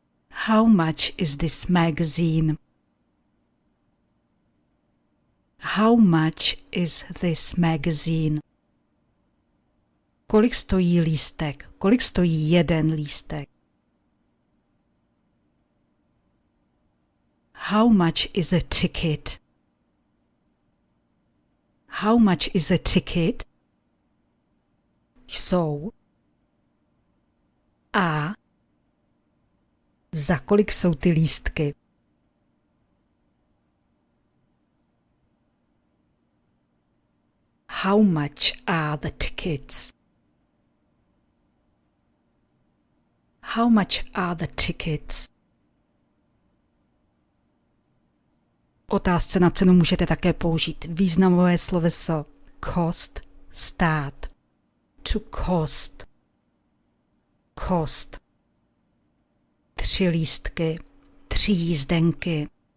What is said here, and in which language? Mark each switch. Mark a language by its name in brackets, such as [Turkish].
[English] How much is this magazine? How much is this magazine? [Czech] Kolik stojí lístek? Kolik stojí jeden lístek? [English] How much is a ticket? How much is a ticket? Jsou. A. [Czech] Za kolik jsou ty lístky? [English] How much are the tickets? How much are the tickets? [Czech] Otázce na cenu můžete také použít významové sloveso cost, stát. To cost. Cost. Tři lístky, tři jízdenky.